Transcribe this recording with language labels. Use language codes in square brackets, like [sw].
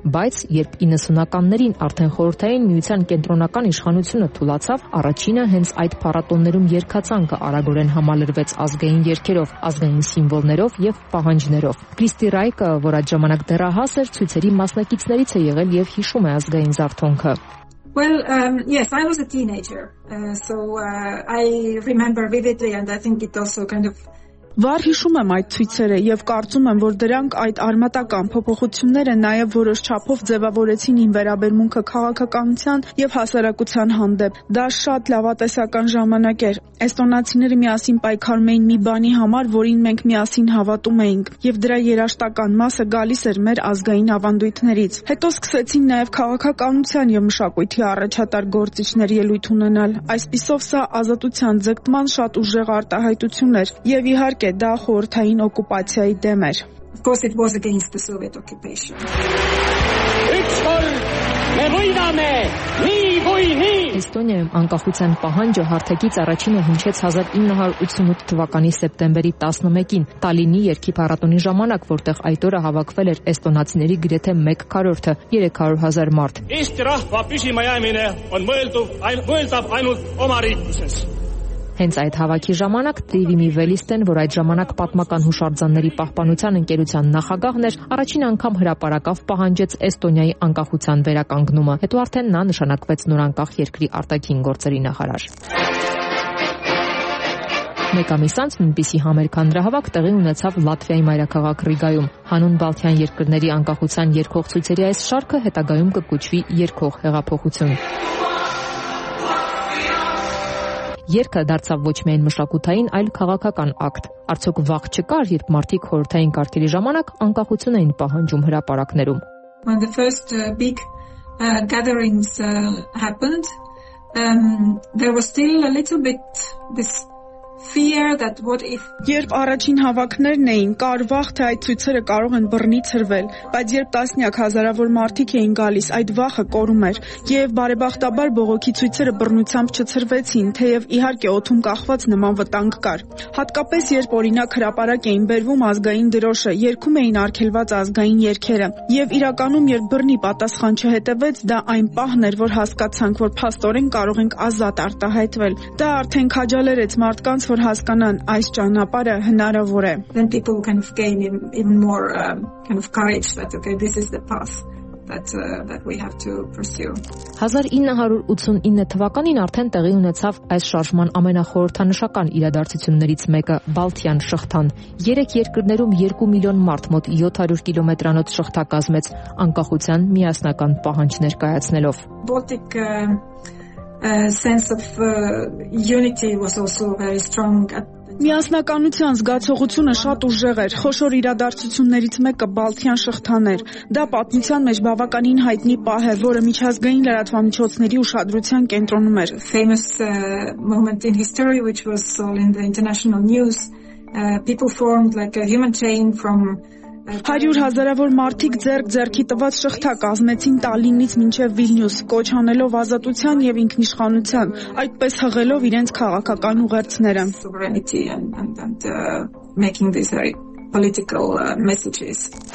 [hy] Բայց երբ 90-ականներին արդեն խորհրդային միության կենտրոնական իշխանությունը թուլացավ, առաջինը հենց այդ փառատոններում երգացանկը արագորեն համալրվեց ազգային երգերով, ազգային սիմվոլներով և պահանջներով։ Քրիստի Ռայկը, որ այդ ժամանակ դեռահաս էր, ցույցերի մասնակիցներին ցե եղել եւ հիշում է ազգային զարթոնքը։ [en] Well, yes, I was a teenager. I remember vividly and I think it also kind of [hy] Վար հիշում եմ այդ ցույցերը եւ կարծում եմ, որ դրանք այդ արմատական փոփոխությունները նաեւ որոշ չափով ձևավորեցին իմ վերաբերմունքը քաղաքականության եւ հասարակության հանդեպ։ Դա շատ լավատեսական ժամանակ էր։ Էստոնացիները միասին պայքարում էին մի բանի համար, որին մենք միասին հավատում էինք, եւ դրա երաշտական մասը գալիս էր մեր ազգային ավանդույթներից։ Հետո սկսեցին նաեւ քաղաքականության եւ մշակույթի առաջատար գործիչներ ելույթ ունենալ։ Այսպիսով սա ազատության ձգտման շատ ուժեղ արտահայտություն էր եւ իհարկե կե դա խորթային օկուպացիայի դեմ էր։ [en] Of course it was against the Soviet occupation. [hy] Էստոնիայում անկախության պահանջը հարթակից առաջինը հնչեց 1988 թվականի սեպտեմբերի 11-ին Տալինի երգի փառատոնի ժամանակ, որտեղ այդ օրը հավաքվել էր էստոնացիների գրեթե 1/4-ը, 300 000 մարդ։ Հենց այդ հավաքի ժամանակ Տրիվիմի Վելիստեն, որ այդ ժամանակ պատմական հուշարձանների պահպանության ընկերության նախագահն էր, առաջին անգամ հրապարակավ պահանջեց Էստոնիայի անկախության վերականգնումը, հետո արդեն նա նշանակվեց նորանկախ երկրի արտաքին գործերի նախարար։ Մեկ ամիս անց նույնպիսի համերգանդրահավաք տեղի ունեցավ Լատվիայի մայրաքաղաք Ռիգայում։ Հանուն Բալթյան երկրների անկախության երգող ցույցերի այս շարքը հետագայում կկոչվի երգող հեղափոխություն։ Երկը դարձավ ոչ միայն մշակութային, այլ քաղաքական ակտ։ Արդյոք վաղ չկար, երբ մարդիկ խորհրդային կարգերի ժամանակ անկախություն էին պահանջում հրապարակներում։ [en] When the first big gatherings happened, there was still a little bit this fear that what if [hy] Երբ առաջին հավաքներն էին, կար վախ, թե այդ ցույցերը կարող են բռնից հրվել, բայց երբ տասնյակ հազարավոր մարդիկ էին գալիս, այդ վախը կորում էր, եւ բարեբախտաբար բողոքի ցույցերը բռնությամբ չցրվեցին, թեև իհարկե օթում կախված նման վտանգ կար։ Հատկապես երբ օրինակ հրապարակ էին բերվում ազգային դրոշը, երգում էին արգելված ազգային երգերը, եւ իրականում երբ բռնի պատասխան չհետեվեց, դա այն պահն էր, որ հասկացանք, որ փաստորեն կարող ենք ազատ արտահայտվել։ Դա արդեն քաջալերեց մարդկանց, որ հասկանան այս ճանապարհը հնարավոր է։ [en] Then people kind of gain even more kind of courage that okay this is the path that we have to pursue. [hy] 1989 թվականին արդեն տեղի ունեցավ այս շարժման ամենախորհրդանշական իրադարձություններից մեկը՝ Բալթյան շղթան։ Երեք երկրներում 2 միլիոն մարդ մոտ 700 կիլոմետրանոց շղթա կազմեց անկախության միասնական պահանջներ կայացնելով։ [en] Baltic sense of unity was also very strong at [hy] Միասնականության զգացողությունը շատ ուժեղ էր։ Խոշոր իրադարձություններից մեկը Բալթյան շղթան էր։ Դա պատմության մեջ բավականին հայտնի պահ է, որը միջազգային լրատվամիջոցների ուշադրության կենտրոնում էր։ [en] Famous moment in history which was all in the international news. People formed like a human chain from [hy] 100 հազարավոր մարդիկ ձեռք-ձեռքի տված շղթա կազմեցին Տալինից մինչև Վիլնյուս, կոչ անելով ազատության եւ ինքնիշխանության, այդպես հղելով իրենց քաղաքական ուղերձները։ [en] Making these political messages.